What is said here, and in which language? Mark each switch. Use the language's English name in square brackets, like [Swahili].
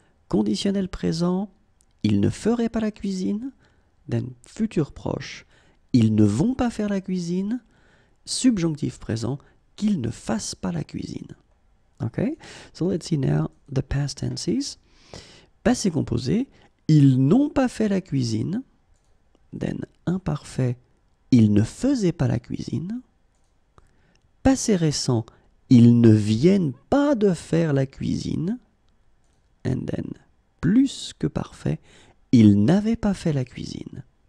[French] Conditionnel présent, ils ne feraient pas la cuisine. Then futur proche, ils ne vont pas faire la cuisine. Subjonctif présent, qu'ils ne fassent pas la cuisine. [English] Okay, so let's see now the past tenses. [French] Passé composé, ils n'ont pas fait la cuisine. Then imparfait, ils ne faisaient pas la cuisine. Passé récent, ils ne viennent pas de faire la cuisine. And then, plus que parfait, ils n'avaient pas fait la cuisine.